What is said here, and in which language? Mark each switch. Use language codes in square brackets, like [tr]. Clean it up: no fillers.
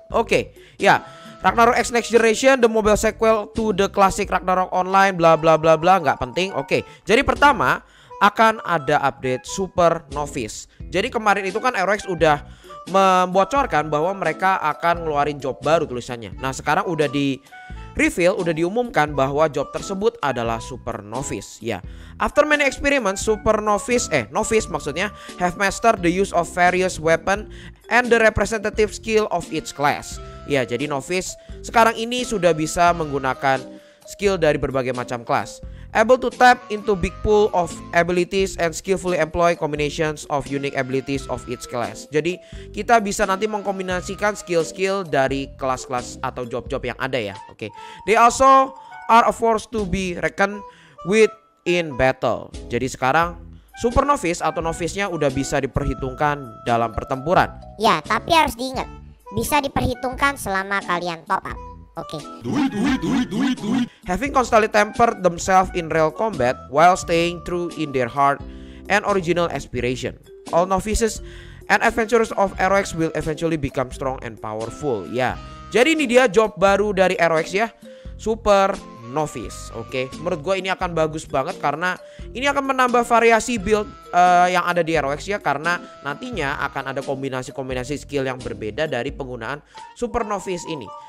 [en] Oke, ya. Ragnarok X Next Generation, the mobile sequel to the classic Ragnarok Online, bla bla bla bla, [id] nggak penting. Oke, jadi pertama akan ada update Super Novice. Jadi kemarin itu kan ROX udah membocorkan bahwa mereka akan ngeluarin job baru tulisannya. Nah sekarang udah di reveal, udah diumumkan bahwa job tersebut adalah Super Novice. [en] Ya, after many experiments, Novice [id] maksudnya [en] have mastered the use of various weapon and the representative skill of each class. [id] Ya, jadi Novice sekarang ini sudah bisa menggunakan skill dari berbagai macam kelas. [en] Able to tap into big pool of abilities and skillfully employ combinations of unique abilities of each class. [id] Jadi, kita bisa nanti mengkombinasikan skill-skill dari kelas-kelas atau job-job yang ada ya. Oke. Okay. [en] They also are a force to be reckoned with in battle. [id] Jadi sekarang Super Novice atau Novice-nya udah bisa diperhitungkan dalam pertempuran. Ya, tapi harus diingat, bisa diperhitungkan selama kalian top up. Oke. Duit. [en] Having constantly tempered themselves in real combat while staying true in their heart and original aspiration. All novices and adventurers of ROX will eventually become strong and powerful. Ya. [id] Jadi ini dia job baru dari ROX ya. Super Novice. Oke. Menurut gue ini akan bagus banget karena ini akan menambah variasi build yang ada di ROX ya. Karena nantinya akan ada kombinasi-kombinasi skill yang berbeda dari penggunaan Super Novice ini.